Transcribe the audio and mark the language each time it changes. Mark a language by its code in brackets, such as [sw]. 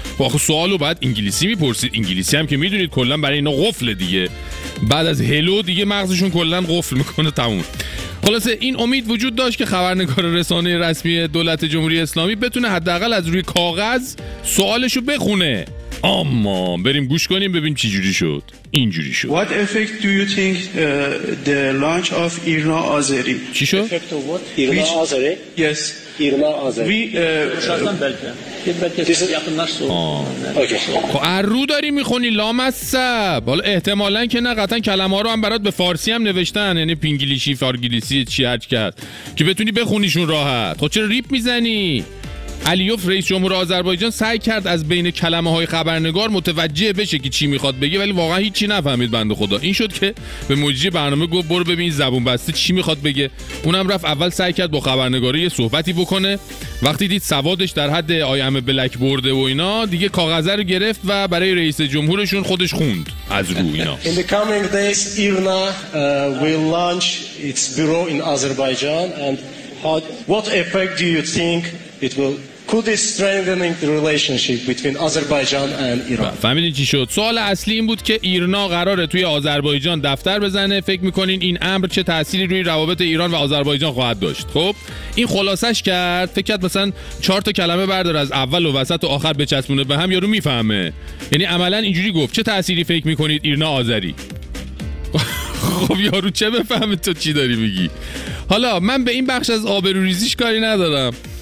[fa] واخه سوالو بعد انگلیسی میپرسید، انگلیسی هم که میدونید کلا برای اینا قفل دیگه، بعد از هلو دیگه مغزشون کلا قفل میکنه تموم. خلاصه این امید وجود داشت که خبرنگار رسانه رسمی دولت جمهوری اسلامی بتونه حداقل از روی کاغذ سوالشو بخونه. اما بریم گوش کنیم ببینیم چی جوری شد. اینجوری شد. [en] What effect do you think the launch of ایرنا آذری؟ [fa] چی شد؟ [en] Effect of what? ایرنا آذری؟ Yes. [fa] ایرنا آذری. [en] We [fa] خب ارو داری میخونی لامصب. حالا احتمالاً که نه، قطعا کلمه ها رو هم برات به فارسی هم نوشتن، یعنی پینگلیشی فارگلیسی چی هرچ کرد که بتونی بخونیشون راحت. خب چرا ریپ میزنی؟ علیوف رئیس جمهور آذربایجان سعی کرد از بین کلمه های خبرنگار متوجه بشه که چی میخواد بگه، ولی واقعا هیچی نفهمید بنده خدا. این شد که به مجری برنامه گفت برو ببین زبون بسته چی میخواد بگه. اونم رفت اول سعی کرد با خبرنگاره یه صحبتی بکنه، وقتی دید سوادش در حد آی ام بلک برده و اینا دیگه کاغذ رو گرفت و برای رئیس جمهورشون خودش خوند از رو اینا. [en] In the coming days IRNA will launch its bureau in Azerbaijan and what effect do you think it will could this strengthening the relationship between Azerbaijan and Iran. [fa] فهمیدین چی شد؟ سوال اصلی این بود که ایرنا قراره توی آذربایجان دفتر بزنه، فکر میکنین این امر چه تأثیری روی روابط ایران و آذربایجان خواهد داشت؟ خب این خلاصش کرد، فکر کرد مثلا چهار تا کلمه بردار از اول و وسط و آخر بچسبونه به هم یارو میفهمه. یعنی عملا اینجوری گفت چه تأثیری فکر میکنید ایرنا آذری؟ خب یارو چه بفهمه تو چی داری میگی؟ حالا من به این بخش از آبروریزیش کاری ندارم.